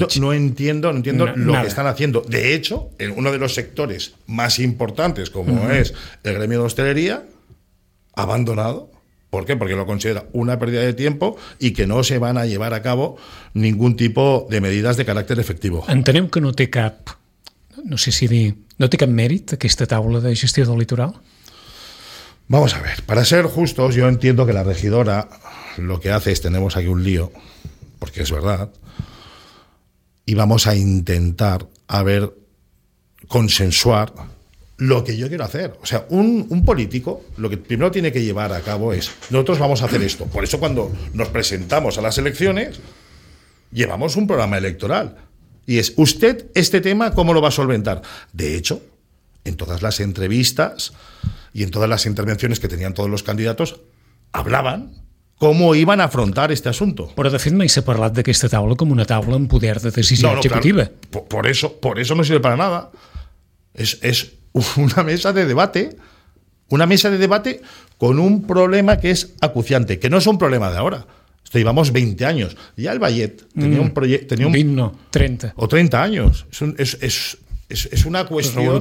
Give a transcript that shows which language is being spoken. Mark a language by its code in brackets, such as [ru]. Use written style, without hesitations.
[es] no entiendo que están haciendo. De hecho, en uno de los sectores más importantes, como es el gremio de hostelería, abandonado. ¿Por qué? Porque lo considera una pérdida de tiempo y que no se van a llevar a cabo ningún tipo de medidas de carácter efectivo. [ca] Entenem que no té cap, no sé si dir, no té cap mèrit aquesta taula de gestió del litoral. [es] Vamos a ver, para ser justos, yo entiendo que la regidora lo que hace es, tenemos aquí un lío, porque es verdad, y vamos a intentar consensuar lo que yo quiero hacer. O sea, un político lo que primero tiene que llevar a cabo es, nosotros vamos a hacer esto. Por eso cuando nos presentamos a las elecciones, llevamos un programa electoral. Y es, ¿usted este tema cómo lo va a solventar? De hecho, en todas las entrevistas... Y en todas las intervenciones que tenían todos los candidatos, hablaban cómo iban a afrontar este asunto. [ca] Però de fet mai s'ha parlat d'aquesta taula com una taula amb poder de decisió executiva. [es] Claro. Por eso no sirve para nada. Es una mesa de debate. Una mesa de debate con un problema que es acuciante, que no es un problema de ahora. Esto llevamos 20 años. Ya el Vallet tenía un proyecto. 20, no, 30. O 30 años. Es una cuestión...